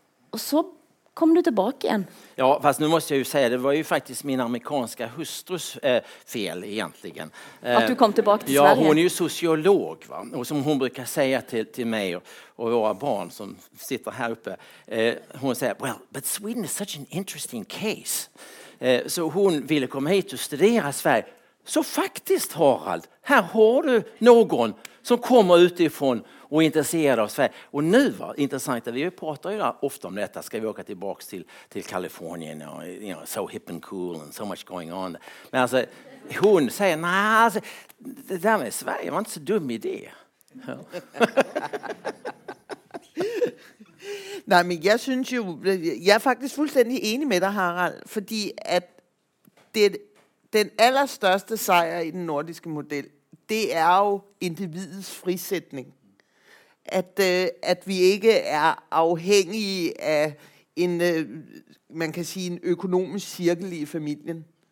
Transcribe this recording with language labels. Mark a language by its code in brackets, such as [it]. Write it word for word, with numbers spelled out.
[sv] Och så kom du tillbaka igen. Ja, fast nu måste jag ju säga, det var ju faktiskt min amerikanska hustrus eh, fel egentligen. Eh, Att du kom tillbaka till ja, Sverige? Ja, hon är ju sociolog, va? Och som hon brukar säga till, till mig och, och våra barn som sitter här uppe. Eh, hon säger, [en] well, but Sweden is such an interesting case. [sv] Eh, så hon ville komma hit och studera Sverige. Så faktiskt, Harald, här har du någon som kommer utifrån och är intresserad av Sverige. Och nu, va, intressant, vi pratar ju ofta om detta. Ska vi åka tillbaka till, till Kalifornien? [en] Och, you know, so hip and cool and so much going on. [sv] Men alltså, hon säger, nej, alltså, det där med Sverige var inte så dum idé. Ja. Nej, men jag [da] synes jo, jeg er faktisk fuldstændig enig med dig, Harald, fordi at det, den allerstørste sejr i den nordiske model, det er jo individets frisætning. At, øh, at vi ikke er afhængige af en, øh, man kan sige, en økonomisk cirkel i familien.